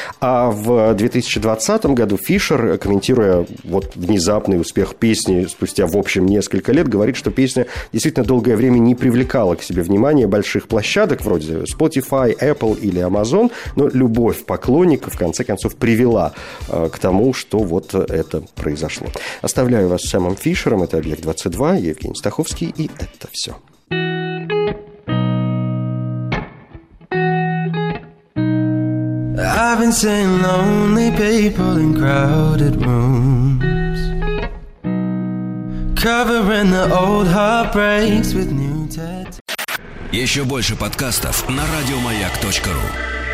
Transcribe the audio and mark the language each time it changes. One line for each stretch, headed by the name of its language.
Russian: А в 2020 году Фишер, комментируя вот внезапный успех песни спустя, в общем, несколько лет, говорит, что песня действительно долгое время не привлекала к себе внимания больших площадок вроде Spotify, Apple или Amazon, но любовь поклонников, в конце концов, привела к тому, что вот это произошло. Оставляю вас с Сэмом Фишером. Это «Объект-22», Евгений Стаховский, и это все.
English: I've been seeing lonely people in crowded rooms, covering the old heartbreaks with new tattoos.
Russian: Еще больше подкастов на радиомаяк.ру.